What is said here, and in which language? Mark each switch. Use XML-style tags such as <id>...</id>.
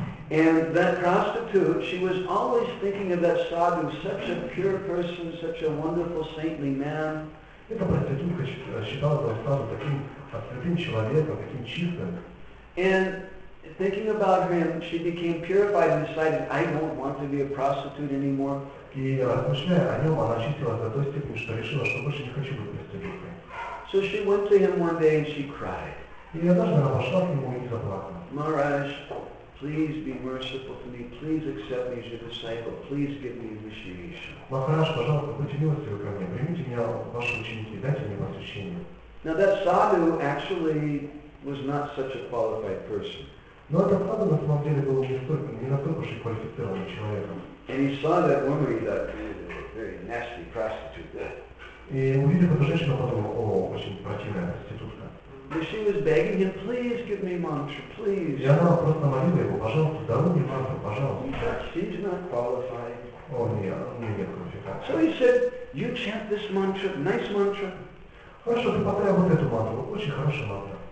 <en>And that prostitute, she was always thinking of that sadhu, such a pure person, such a wonderful saintly man.</en> <ru>Эта проститутка считала этого сразу таким святым человеком, таким чистым.</ru> <en>And thinking about him, she became purified and decided, I don't want to be a prostitute anymore.</en> <ru>И размышляя о нем, она очистилась до той степени, что решила, что больше не хочу быть проституткой.</ru> <en>So she went to him one day and she cried.</en> <ru>И однажды она пошла к нему и заплакала.</ru> <en>Maharaj, please be merciful to me. Please accept me as your disciple. Please give me initiation.</en> <ru>Махараш, пожалуйста, будьте милостивы ко мне. Примите меня в ваши ученики. Дайте мне посвящение.</ru> <en>Now that sadhu actually was not such a qualified person.</en> <ru>Но этот сад на самом деле был не настолько уж и квалифицированным человеком.</ru> <en>And he saw that woman, he thought, very nasty prostitute.</en> <ru>И увидев эту женщину, подумал, о, очень противная проститутка.</ru> <en>But she was begging him, please give me mantra, please.</en> <ru>И она просто молила его, пожалуйста, даруй мне мантру, пожалуйста.</ru> <en>She's not qualified.</en> <ru>О, нет квалификации.</ru> <en>So he said, you chant this mantra, nice mantra.</en> <ru>Хорошо, ты повторяй вот эту мантру, очень хорошая мантра.</ru>